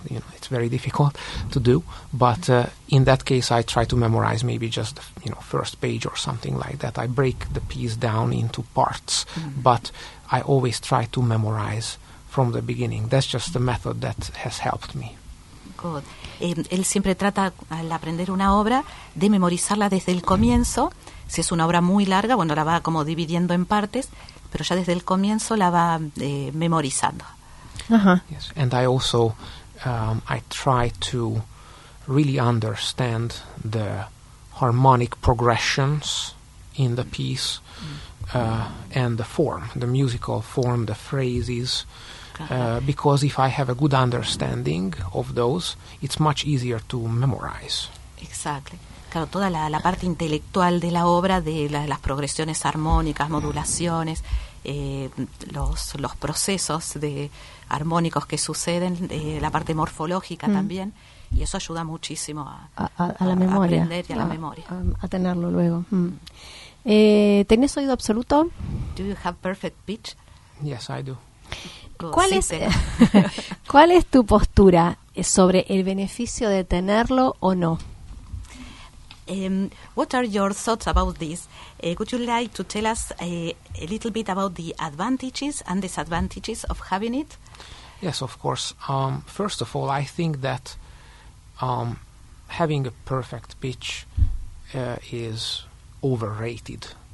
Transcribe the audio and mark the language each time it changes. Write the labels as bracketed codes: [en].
[en] You know, it's very difficult to do. But in that case, I try to memorize maybe just the first page or something like that. I break the piece down into parts, but I always try to memorize from the beginning. That's just the method that has helped me. God. [es] Él siempre trata, al aprender una obra, de memorizarla desde el comienzo. Si es una obra muy larga, bueno, la va como dividiendo en partes, pero ya desde el comienzo la va memorizando. [en] Uh-huh. Yes. And I also I try to really understand the harmonic progressions in the piece, and the form, the musical form, the phrases, because if I have a good understanding of those, it's much easier to memorize. Exactly. [es] Claro, toda la parte intelectual de la obra, de las progresiones armónicas, modulaciones, los procesos de armónicos que suceden, la parte morfológica también, y eso ayuda muchísimo a la memoria, a aprender y a la memoria. A tenerlo luego. ¿Tenés oído absoluto? [en] Do you have perfect pitch? Yes, I do. [es] ¿Cuál es tu postura sobre el beneficio de tenerlo o no? [en] What are your thoughts about this? Would you like to tell us a little bit about the advantages and disadvantages of having it? Yes, of course. First of all, I think that having a perfect pitch is overrated.